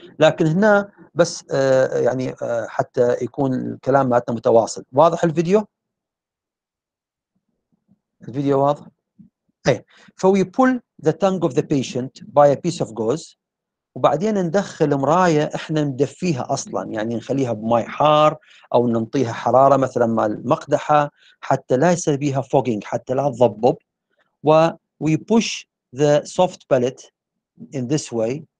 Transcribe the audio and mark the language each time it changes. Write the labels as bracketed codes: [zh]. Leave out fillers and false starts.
[ar] لكن هنا بس يعني حتى يكون الكلام معناتنا متواصل. واضح الفيديو؟ الفيديو واضح؟ ايه. [en] We pull the tongue of the patient by a piece of gauze. [ar] وبعدين ندخل مراية احنا ندفيها اصلا, يعني نخليها بماي حار او ننطيها حرارة مثلا مال مقدحة حتى لا يصير بيها فوغينج, حتى لا تضبب. [en] و we push the soft palate in this way.